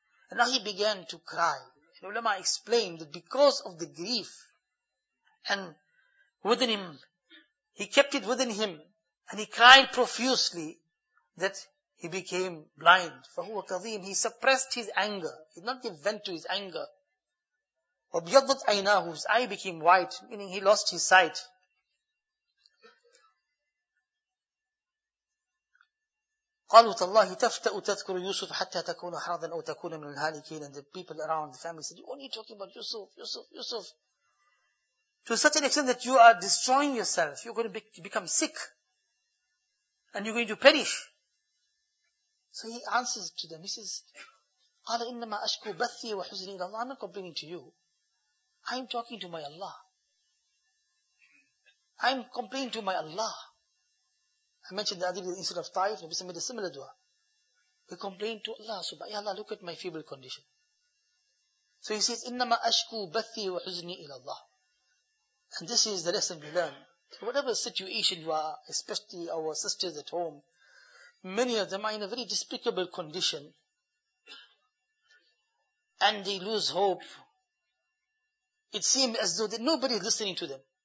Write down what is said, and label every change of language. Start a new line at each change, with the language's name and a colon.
English: And now he began to cry. And ulama explained that because of the grief and within him, he kept it within him and he cried profusely that he became blind.
Arabic: فَهُوَ كَظِيمٌ.
English: He suppressed his anger. He did not give vent to his anger.
Arabic: وَبْيَضَّتْ عَيْنَاهُ.
English: His eye became white, meaning he lost his sight.
Arabic: قالوا تالله تفتأ تذكر يوسف حتى تكون حرضا أو تكون من الهالكين.
English: And the people around the family said, "What are you talking about, Yusuf, Yusuf, Yusuf?" To such an extent that you are destroying yourself. You're going to become sick. And you're going to perish. So he answers to them. He says,
Arabic: قَالَ إِنَّمَا أَشْكُوا بَثِّي وَحُزْنِي إِلَى اللَّهِ.
English: I'm not complaining to you. I'm talking to my Allah. I'm complaining to my Allah. I mentioned the hadith instead of Taif, Nabi made a similar dua. He complained to Allah, Subhanahu, Ya Allah, look at my feeble condition. So he says,
Arabic: إِنَّمَا أَشْكُوا بَثِّي وَحُزْنِي إِلَى اللَّهِ.
English: And this is the lesson we learn. Whatever situation you are, especially our sisters at home, many of them are in a very despicable condition. And they lose hope. It seems as though nobody is listening to them.